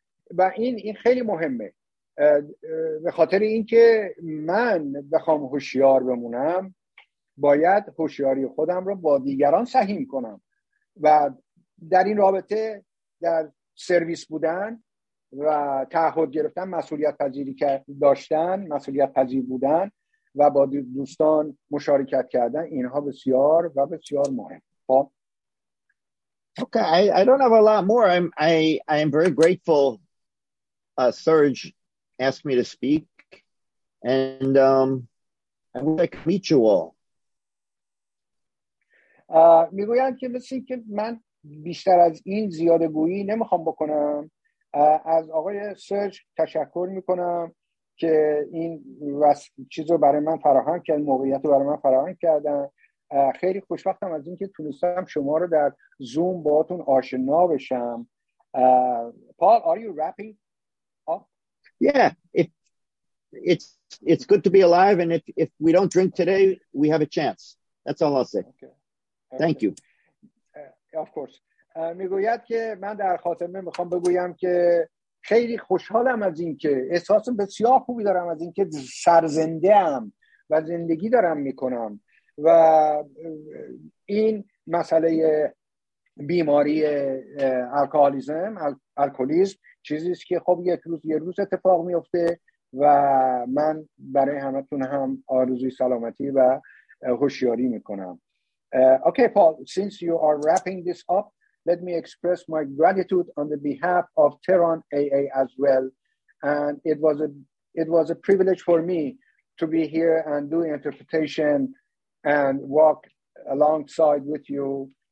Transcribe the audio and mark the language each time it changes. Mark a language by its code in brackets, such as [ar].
[fa] و این خیلی مهمه به خاطر اینکه من بخوام هوشیار بمونم باید هوشیاری خودم را با دیگران سهیم کنم و در این رابطه در سرویس بودن و تعهد گرفتن، مسئولیت پذیری داشتن، مسئولیت پذیر بودن و با دوستان مشارکت کردن، اینها بسیار و بسیار مهم. [en] Okay, I don't have a lot more. I'm very grateful Serge asked me to speak, and I would like to meet you all. [fa] میگویند که مثل که من بیشتر از این زیاده گویی نمیخوام بکنم. از آقای سرج تشکر میکنم که این چیز رو برای من فراهم کرد، موقعیت رو برای من فراهم کردن. خیلی خوشبختم از اینکه تونستم شما رو در زوم باهاتون آشنا بشم. [en] Paul, are you rapping? Yeah, it's good to be alive, and if we don't drink today, we have a chance. That's all I'll say. Okay. Thank you. Of course. [fa] میگوید که من در خاتمه میخوام بگویم که خیلی خوشحالم از این که احساس بسیار خوبی دارم از این که سرزنده ام و زندگی دارم میکنم و این مسئله بیماری الکولیسم الکولیسم چیزی است که خب یک روز اتفاق میفته و من برای همتون هم آرزوی سلامتی و هوشیاری میکنم. [en] Okay, Paul, since you are wrapping this up, let me express my gratitude on the behalf of Tehran AA as well. And it was a privilege for me to be here and do interpretation and walk alongside with you.